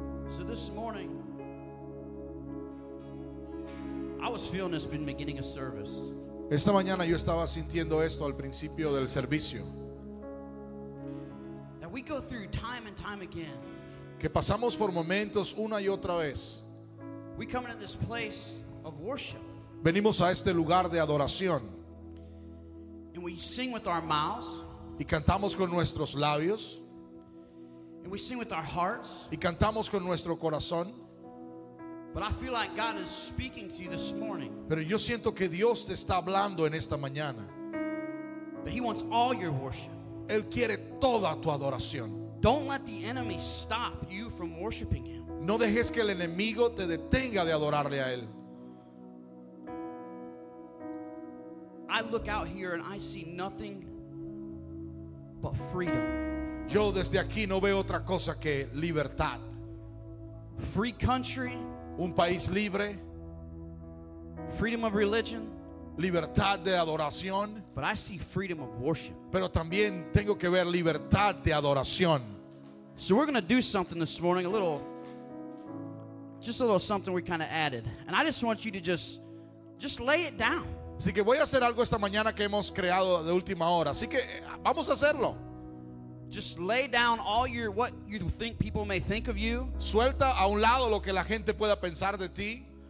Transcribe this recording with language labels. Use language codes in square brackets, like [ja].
[en] So this morning, I was feeling this been beginning of service. [es] Esta mañana yo estaba sintiendo esto al principio del servicio. [en] That we go through time and time again. [es] Que pasamos por momentos una y otra vez. [en] We come into this place of worship. [es] Venimos a este lugar de adoración. [en] And we sing with our mouths. [es] Y cantamos con nuestros labios. [en] We sing with our hearts. [es] Y cantamos con nuestro corazón. [en] But I feel like God is speaking to you this morning. [es] Pero yo siento que Dios te está hablando en esta mañana. [en] But he wants all your worship. [es] Él quiere toda tu adoración. [en] Don't let the enemy stop you from worshiping him. [es] No dejes que el enemigo te detenga de adorarle a él. [en] I look out here and I see nothing but freedom. [es] Yo desde aquí no veo otra cosa que libertad. [en] Free country. [es] Un país libre. [en] Freedom of religion. [es] Libertad de adoración. [en] But I see freedom of worship. [es] Pero también tengo que ver libertad de adoración. [en] So we're going to do something this morning, just a little something we kind of added. And I just want you to just lay it down. [es] Así que voy a hacer algo esta mañana que hemos creado de última hora. Así que vamos a hacerlo. [en] Just lay down all your what you think people may think of you. [es] Suelta a un lado lo que la gente pueda pensar de ti.